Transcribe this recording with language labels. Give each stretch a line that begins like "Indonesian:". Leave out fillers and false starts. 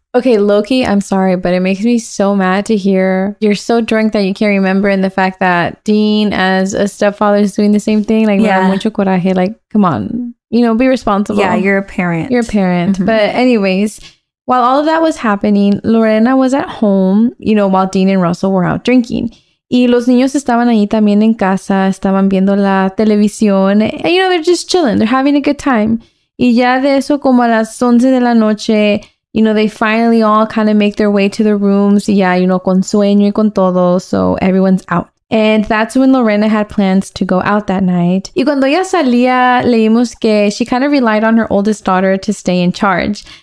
English: Okay, Loki, I'm sorry, but it makes me so mad to hear you're so drunk that you can't remember, and the fact that Dean, as a stepfather, is doing the same thing. Like, yeah,
Spanish: mucho coraje.
English: Like, come on, you know, be responsible. Yeah, you're a parent. You're a parent. Mm-hmm. But anyways, while all of that was happening, Lorena was at home, you know, while Dean and Russell were out drinking.
Spanish: Y los niños estaban allí también en casa, estaban viendo la televisión.
English: And, you know, they're just chilling, they're having a good time.
Spanish: Y ya de eso, como a las 11 de la noche,
English: you know, they finally all kind of make their way to the rooms.
Spanish: Y ya, you know, con sueño y con todo,
English: so everyone's out. And that's when Lorena had plans to go out that night.
Spanish: Y cuando ella salía, leímos que
English: she kind of relied on her oldest daughter to stay in charge.